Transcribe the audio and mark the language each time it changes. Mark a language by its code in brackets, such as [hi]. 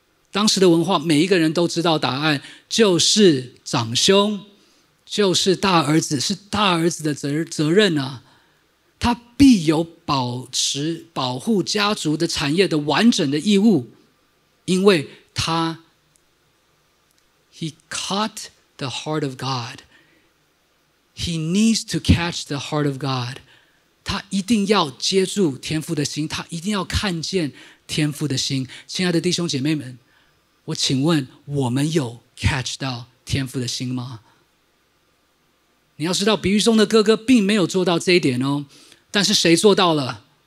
[zh] 当时的文化，每一个人都知道答案，就是长兄，就是大儿子，是大儿子的责任啊。他必有保持、保护家族的产业的完整的义务，因为他 [en] He caught the heart of God. He needs to catch the heart of God. [zh] 他一定要接住天父的心，他一定要看见天父的心。亲爱的弟兄姐妹们，我请问我们有 catch 到天父的心吗？你要知道比喻中的哥哥并没有做到这一点哦，但是谁做到了？